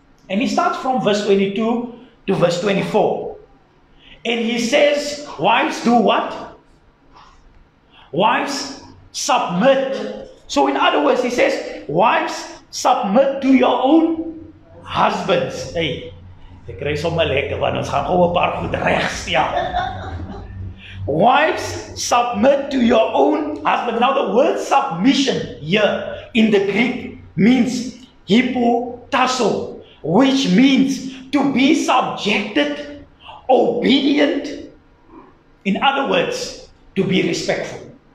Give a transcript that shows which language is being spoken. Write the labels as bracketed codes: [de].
[en] And he starts from verse 22 to verse 24. And he says, wives do what? Wives submit. So in other words, he says, wives submit to your own husbands. [af] Hey, ek kry sommer lekker want ons gaan gou 'n paar goed regs, ja. [en] Wives submit to your own husband. Now the word submission here in the Greek means hypotasso, which means to be subjected, obedient, in other words, to be respectful.